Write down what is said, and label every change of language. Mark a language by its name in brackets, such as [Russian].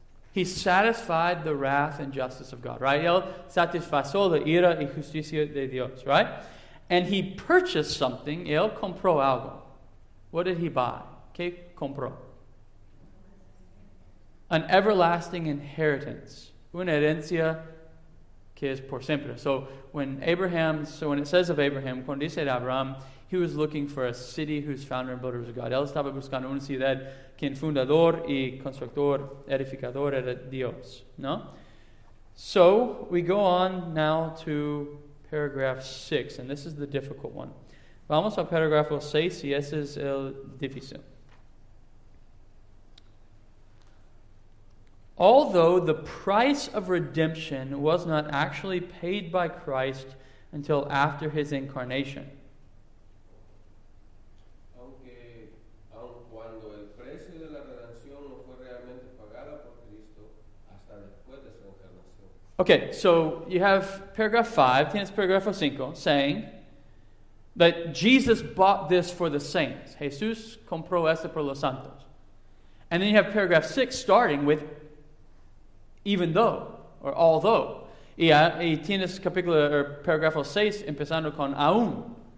[English] He satisfied the wrath and justice of God, right? [Spanish] Él satisfizó la ira y justicia de Dios, right? [English] And he purchased something, [Spanish] él compró algo. [English] What did he buy? [Spanish] ¿Qué compró? [English] An everlasting inheritance. [Spanish] Una herencia que es por siempre. [English] So when it says of Abraham, [Spanish] cuando dice de Abraham, [English] he was looking for a city whose founder and builder was God. [Spanish] Él estaba buscando una ciudad quien fundador y constructor, edificador era Dios. ¿No? [English] So we go on now to paragraph 6, and this is the difficult one. [Spanish] Vamos a paragraph 6 y ese es el difícil. [English] Although the price of redemption was not actually paid by Christ until after his incarnation. [Spanish] Aunque, aun cuando el precio de la redención no fue realmente pagada por Cristo hasta después de su encarnación. [English] Okay, so you have paragraph 5, [Spanish] tienes paragrafo 5, [English] saying that Jesus bought this for the saints. [Spanish] Jesús compró esto por los santos. [English] And then you have paragraph 6 starting with even though, or although. [Spanish] Y tienes capítulo, or paragrafo 6, empezando con aún.